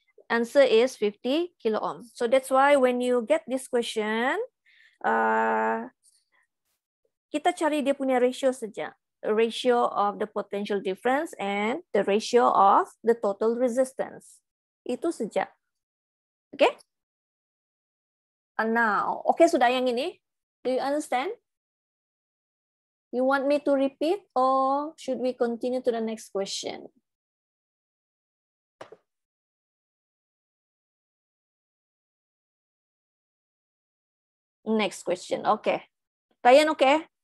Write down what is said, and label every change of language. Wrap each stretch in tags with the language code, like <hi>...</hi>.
<en>Answer is 50 kilo ohm. So that's why when you get this question,</en> <id>kita cari dia punya ratio saja.</id> <en>Ratio of the potential difference and the ratio of the total resistance.</en> <id>Itu saja. Okay?</id> <en>And now, okay</en> <id>sudah yang ini?</id> <en>Do you understand? You want me to repeat or should we continue to the next question? Next question. Okay. Ryan, okay?</en>